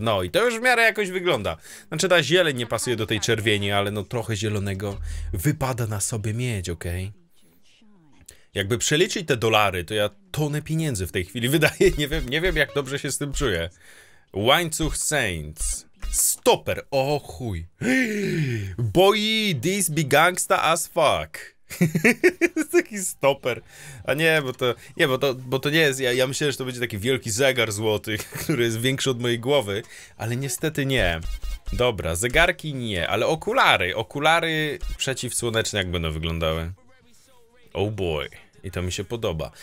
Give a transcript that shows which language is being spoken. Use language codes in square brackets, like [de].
[pl] No i to już w miarę jakoś wygląda. Znaczy, ta zieleń nie pasuje do tej czerwieni, ale no trochę zielonego wypada na sobie mieć, okej? Okay? Jakby przeliczyć te dolary, to ja tonę pieniędzy w tej chwili wydaję. Nie wiem, jak dobrze się z tym czuję. Łańcuch Saints. Stopper. O chuj. [en] Boy, this be gangsta as fuck. [pl] To taki stopper. A nie, bo to nie jest. Ja myślałem, że to będzie taki wielki zegar złoty, który jest większy od mojej głowy. Ale niestety nie. Dobra, zegarki nie, ale okulary. Okulary przeciwsłoneczne, jak będą wyglądały? [en] Oh boy, [pl] i to mi się podoba.